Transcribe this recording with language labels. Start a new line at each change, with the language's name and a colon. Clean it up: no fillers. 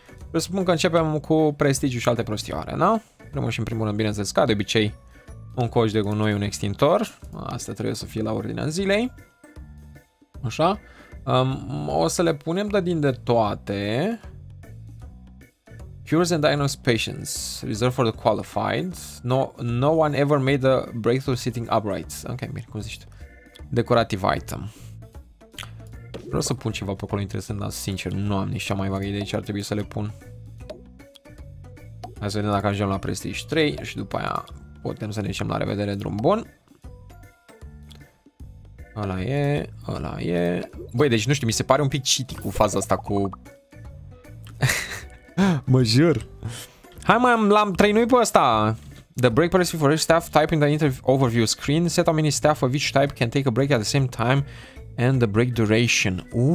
Romanian: Presupun că începem cu prestigiu și alte prostioare, da? Primul și în primul rând, bineînțeles, ca de obicei, un coș de gunoi, un extintor. Asta trebuie să fie la ordinea zilei. Așa. O să le punem de din de toate.
English: Cures and diagnosed patients, reserved for the qualified. No one ever made a breakthrough sitting upright.
Romanian: Ok, bine, cum zici tu?
English: Decorative item.
Romanian: Vreau să pun ceva pe acolo interesant, dar sincer, nu am nici cea mai vagă idee ce ar trebui să le pun. Hai să vedem dacă ajungem la Prestige 3 și după aia putem să ne zicem la revedere, drum bun. Ăla e, ăla e. Băi, deci nu știu, mi se pare un pic cheaty cu faza asta cu... Mă jur. Hai mai l-am trainuit pe ăsta.
English: The break policy for each staff type in the interview overview screen. Set how many staff of each type can take a break at the same time and the break duration.